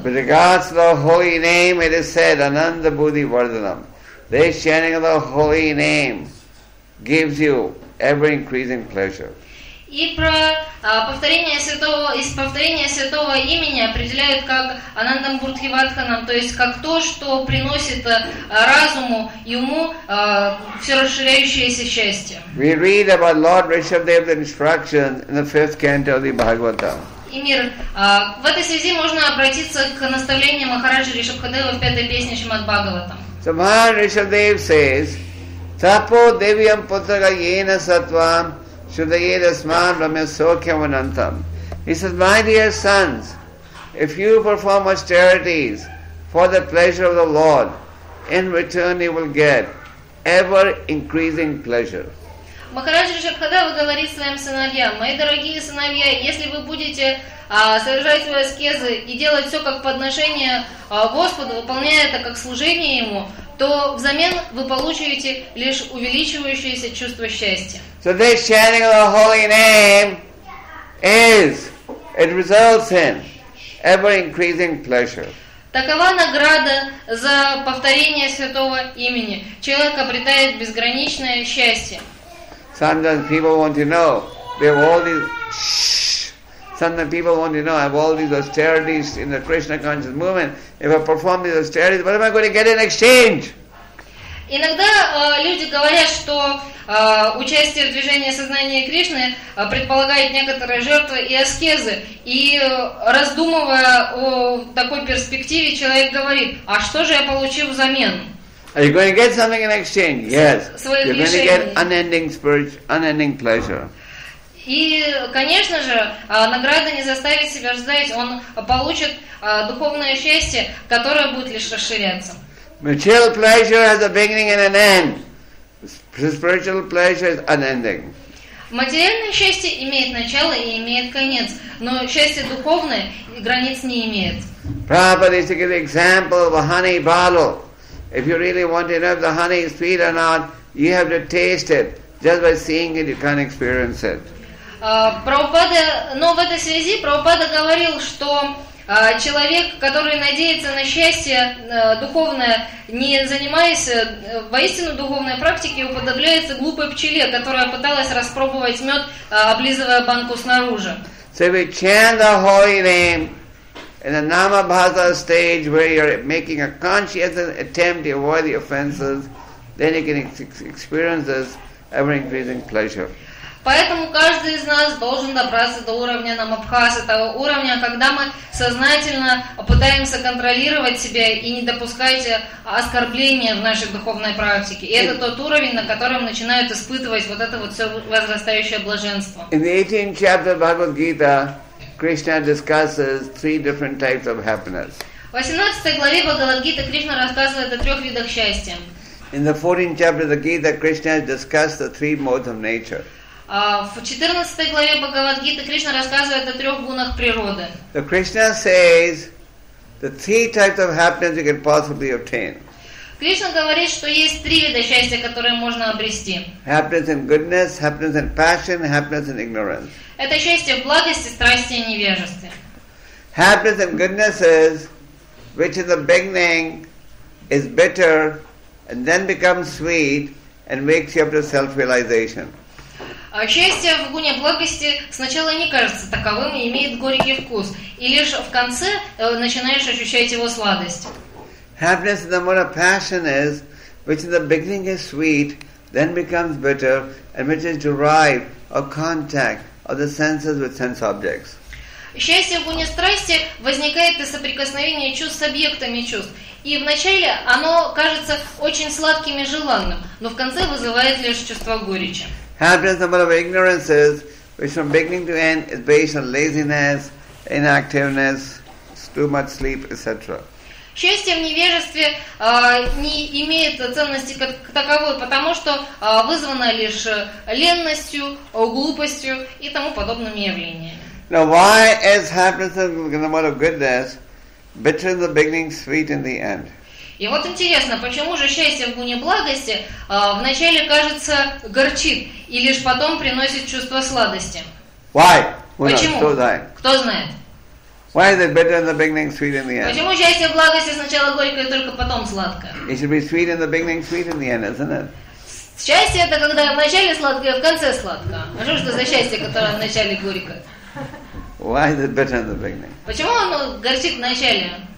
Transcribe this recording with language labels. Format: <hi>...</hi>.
<en>With regards to the holy name, it is said,</en> <sa>Ananda Buddhi Vardhanam.</sa> <en>The chanting of the holy name gives you ever-increasing pleasure.</en> <ru>И про повторение святого имени определяют как</ru> <sa>Ананда Мурти Вадханам,</sa> <ru>то есть как то, что приносит разуму и уму все расширяющееся счастье.</ru> <en>We read about Lord Rishabhdev's instruction in the fifth canto of the Bhagavatam.</en> <ru>Имир, в этой связи можно обратиться к наставлению Махараджи Ришабхадева в пятой песне Шримад Бхагаватам.</ru> <en>So Maharaj Rishabhdev says,</en> <sa>Tapo Devyam Putraka Yena Sattvam Shudayedasman Ramya Sokhyamanantam.</sa> <en>He says, my dear sons, if you perform austerities for the pleasure of the Lord, in return you will get ever-increasing pleasure.</en> <ru>Махараджа Ришабхадева говорит своим сыновьям, мои дорогие сыновья, если вы будете совершать свои аскезы и делать все как подношение Господу, выполняя это как служение Ему, то взамен вы получите лишь увеличивающееся чувство счастья.</ru> <en>So this chanting of the holy name is, it results in ever-increasing pleasure.</en> <ru>Такова награда за повторение святого имени. Человек обретает безграничное счастье.</ru> <en>Sometimes people want to know, they have all these, sometimes people want to know, I have all these austerities in the Krishna conscious movement. If I perform these austerities, what am I going to get in exchange?</en> <ru>Иногда люди говорят, что участие в движении сознания Кришны предполагает некоторые жертвы и аскезы. И раздумывая о такой перспективе, человек говорит, а что же я получу взамен?</ru> <en>Are you going to get something in exchange? Yes. You're going to get unending spiritual, unending pleasure.</en> <ru>И, конечно же, награда не заставит себя ждать. Он получит духовное счастье, которое будет лишь расширяться.</ru> <en>Material pleasure has a beginning and an end. Spiritual pleasure is unending.</en> <ru>Материальное счастье имеет начало и имеет конец, но счастье духовное границ не имеет.</ru> <en>Prabhupada used to give the example of a honey bottle. If you really want to know if the honey is sweet or not, you have to taste it. Just by seeing it, you can't experience it.</en> <ru>Прабхупада, но в этой связи Прабхупада говорил, что человек, который надеется на счастье духовное, не занимаясь воистину духовной практикой, уподобляется глупой пчеле, которая пыталась распробовать мед, облизывая банку снаружи.</ru> <en>So if you chant the holy name in the Namabhata stage where you're making a conscientious attempt to avoid the offenses, then you can experience this ever-increasing pleasure.</en> <ru>Поэтому каждый из нас должен добраться до уровня намабхаса, того уровня, когда мы сознательно пытаемся контролировать себя и не допускать оскорбления в нашей духовной практике. И это тот уровень, на котором начинают испытывать вот это вот все возрастающее блаженство.</ru> <en>In the 18th chapter of Bhagavad Gita, Krishna discusses three different types of happiness.</en> <ru>В 18 главе Бхагавад Гиты Кришна рассказывает о трех видах счастья.</ru> <en>In the 14th chapter of the Gita, Krishna has discussed the three modes of nature.</en> <ru>В 14 главе Бхагавад Гиты Кришна рассказывает о трех гунах природы.</ru> <en>The Krishna says the three types of happiness you can possibly obtain.</en> <ru>Кришна говорит, что есть три вида счастья, которые можно обрести.</ru> <en>Happiness in goodness, happiness in passion, happiness in ignorance.</en> <ru>Это счастье в благости, страсти и невежестве.</ru> <en>Happiness in goodness is which in the beginning is bitter and then becomes sweet and wakes you up to self-realization.</en> <ru>Счастье в гуне благости сначала не кажется таковым и имеет горький вкус, и лишь в конце начинаешь ощущать его сладость.</ru> <en>Happiness in the mode of passion is which in the beginning is sweet, then becomes bitter, and which is derived of contact of the senses with sense objects.</en> <ru>Счастье в гуне страсти возникает из соприкосновения чувств с объектами чувств. И вначале оно кажется очень сладким и желанным, но в конце вызывает лишь чувство горечи.</ru> <en>Happiness number of ignorance is, which from beginning to end is based on laziness, inactiveness, too much sleep, etc.</en> <ru>Счастье в невежестве не имеет ценности как таковой, потому что вызвано лишь ленностью, глупостью и тому подобными явлениями.</ru> <en>Now, why is happiness in the mode of goodness bitter in the beginning, sweet in the end?</en> <ru>И вот интересно, почему же счастье в гуне благости вначале кажется горчит и лишь потом приносит чувство сладости?</ru> <en>Why?</en> <ru>Почему? Кто знает?</ru> <en>Why is it bitter in the beginning, sweet in the end?</en> <ru>Почему счастье в благости сначала горькое и только потом сладкое?</ru> <en>It should be sweet in the beginning, sweet in the end, isn't it?</en> <ru>Счастье это когда в начале сладкое, в конце сладкое. Что ж это за счастье, которое в начале горькое?</ru> <en>Why is it bitter in the beginning?</en> <ru>Почему оно горчит в начале?</ru>